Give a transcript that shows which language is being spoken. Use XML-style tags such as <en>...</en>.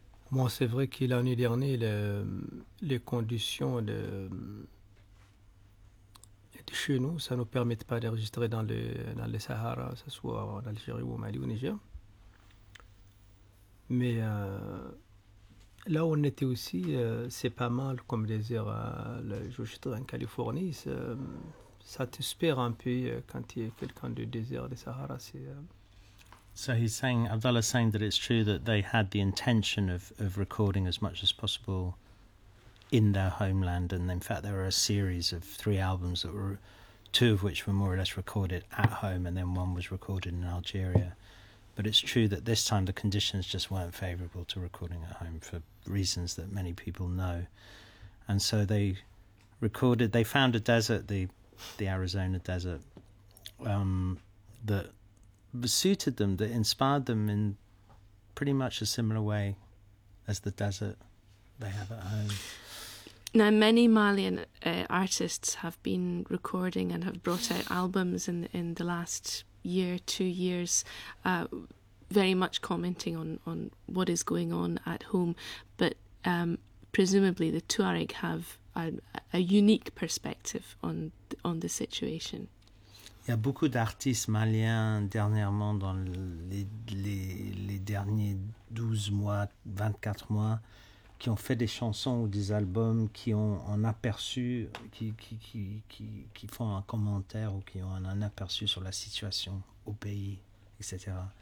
<fr>Moi, c'est vrai que l'année dernière, les conditions de chez nous, ça ne nous permet pas d'enregistrer dans le Sahara, que ce soit en Algérie ou au Mali ou au Niger. Mais là où on était aussi, c'est pas mal, comme les j'étais en Californie, c'est, ça t'espère un peu quand il y a quelqu'un du désert du Sahara.</fr> <en>So he's saying, Abdullah's saying that it's true that they had the intention of recording as much as possible in their homeland, and in fact there were a series of three albums, that were two of which were more or less recorded at home and then one was recorded in Algeria. But it's true that this time the conditions just weren't favourable to recording at home for reasons that many people know. And so they recorded, they found a desert, the Arizona desert, that suited them, that inspired them in pretty much a similar way as the desert they have at home. Now, many Malian artists have been recording and have brought out albums in the last year, 2 years, very much commenting on what is going on at home. But presumably the Tuareg have a unique perspective on the situation.</en> <fr>Il y a beaucoup d'artistes maliens dernièrement dans les derniers 12 mois, 24 mois, qui ont fait des chansons ou des albums qui ont un aperçu, qui font un commentaire ou qui ont un aperçu sur la situation au pays, etc.</fr>